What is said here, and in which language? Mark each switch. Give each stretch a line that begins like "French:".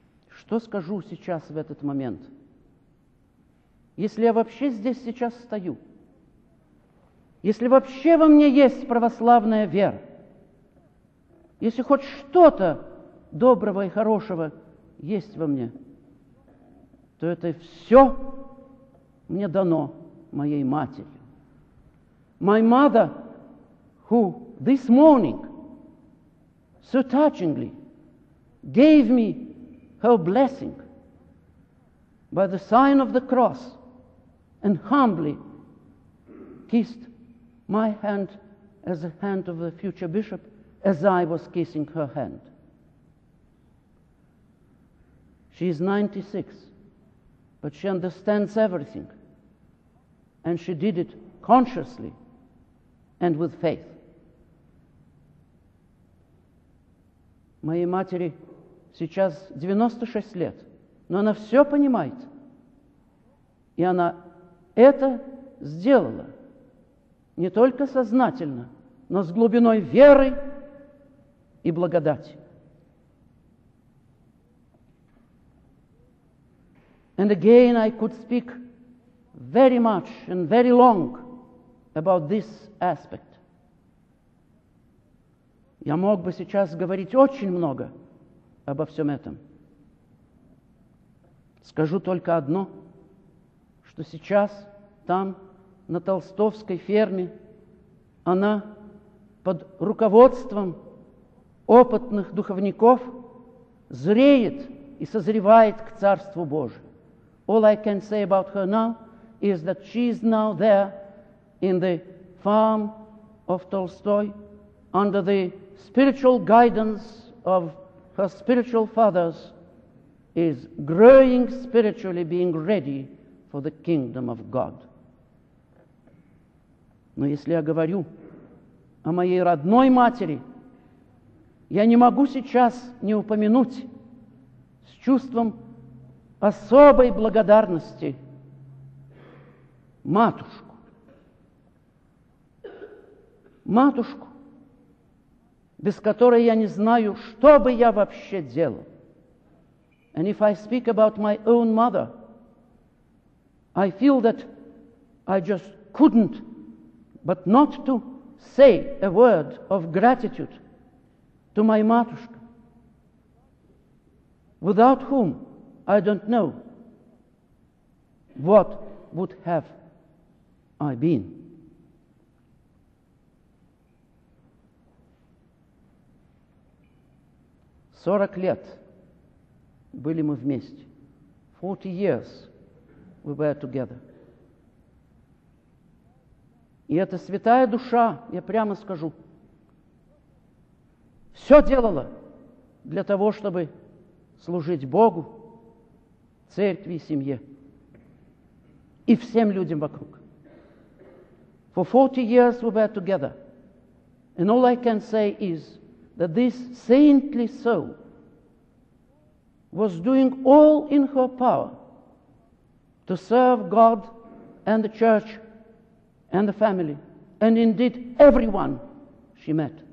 Russian: Что скажу сейчас в этот момент? Если я вообще здесь сейчас стою, если вообще во мне есть православная вера, если хоть что-то доброго и хорошего есть во мне, то это все мне дано моей матерью.
English: My mother, who this morning so touchingly gave me her blessing by the sign of the cross and humbly kissed my hand as the hand of the future bishop as I was kissing her hand. She is 96, but she understands everything, and she did it consciously and with faith.
Russian: Моей матери сейчас 96 лет, но она все понимает, и она это сделала не только сознательно, но с глубиной веры и благодати.
English: And again, I could speak very much and very long about this aspect.
Russian: Я мог бы сейчас говорить очень много обо всем этом. Скажу только одно, что сейчас там, на Толстовской ферме, она под руководством опытных духовников зреет и созревает к Царству Божию.
English: All I can say about her now is that she is now there in the farm of Tolstoy under the spiritual guidance of her spiritual fathers, is growing spiritually, being ready for the kingdom of God.
Russian: Но если я говорю о моей родной матери, я не могу сейчас не упомянуть с чувством особой благодарности матушку. Матушку, без которой я не знаю, что бы я вообще делал.
English: And if I speak about my own mother, I feel that I just couldn't but not to say a word of gratitude to my матушка, without whom I don't know what would have I been.
Russian: Сорок лет были мы вместе.
English: 40 years we were together.
Russian: И эта святая душа, я прямо скажу, все делала для того, чтобы служить Богу, церкви и семье, и всем людям вокруг.
English: For 40 years we were together, and all I can say is that this saintly soul was doing all in her power to serve God and the church and the family, and indeed everyone she met.